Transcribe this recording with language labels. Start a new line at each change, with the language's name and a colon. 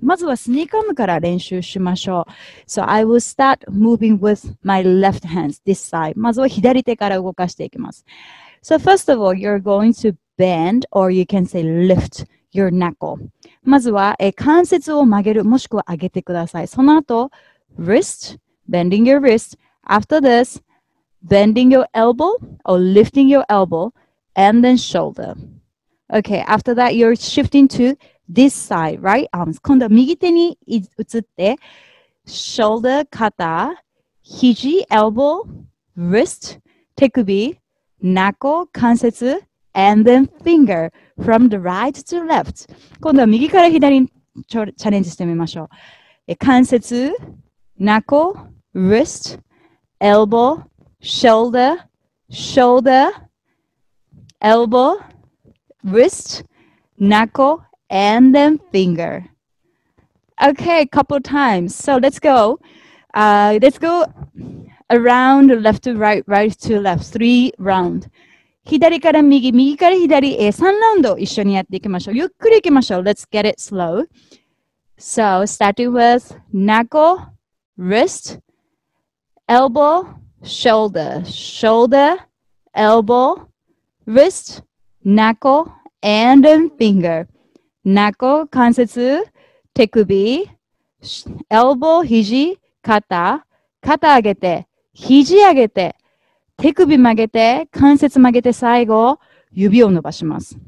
Japanese: まずはスネークアームから練習しましょう。
English: So I will start moving with my left hand this side.
Japanese: まずは左手から動かしていきます。
English: So first of all, you're going to bend or you can say lift your knuckle.
Japanese: まずは関節を曲げるもしくは上げてください。その後、
English: wrist, bending your wrist. After this, bending your elbow or lifting your elbow and then shoulder. Okay, after that, you're shifting to this side, right arms.
Japanese: 今度は右手に移って、
English: shoulder, 肩、肘、elbow, wrist, 手首、knuckle, 関節、and then finger, from the right to left.
Japanese: 今度は右から左にチャレンジしてみましょう。
English: 関節、knuckle, wrist, elbow, shoulder, shoulder, elbow,Wrist, knuckle, and then finger. Okay, couple times. So let's go. Let's go around left to right, right to left. Three round. 左から右、右から左へ3ラウンド一緒にやっていきましょう。ゆっくりいきましょう。 Let's get it slow. So starting with knuckle, wrist, elbow, shoulder, shoulder, elbow, wrist, knuckle,And then finger.
Japanese: Nako, 関節、手首、elbow, 肘、肩、肩上げて、肘上げて、手首曲げて、関節曲げて、最後、指を伸ばします。